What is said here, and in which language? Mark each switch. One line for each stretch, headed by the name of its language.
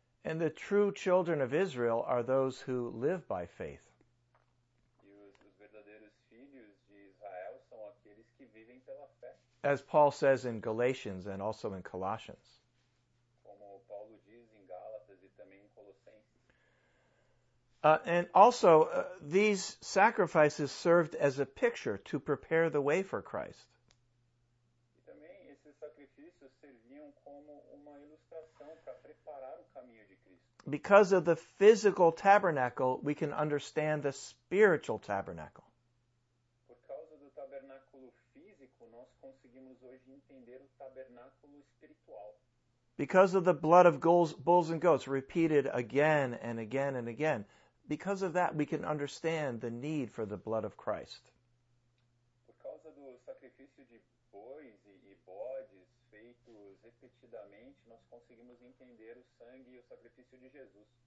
English: And the true children of Israel are those who live by faith.
Portuguese: E os verdadeiros filhos de Israel são aqueles que vivem pela fé.
English: As Paul says in Galatians and also in Colossians.
Portuguese: Como Paulo diz em Gálatas e também em Colossenses.
English: And also, these sacrifices served as a picture to prepare the way for Christ.
Portuguese: E também esses sacrifícios serviam como uma ilustração para preparar o caminho de Cristo.
English: Because of the physical tabernacle, we can understand the spiritual tabernacle.
Portuguese: Por causa do tabernáculo físico, nós conseguimos hoje entender o tabernáculo espiritual.
English: Because of the blood of bulls and goats, repeated again and again and again. Because of that, we can understand the need for the blood of Christ.
Portuguese: Por causa do sacrifício de bois e bodes feitos repetidamente, nós conseguimos entender o sangue e o sacrifício de Jesus.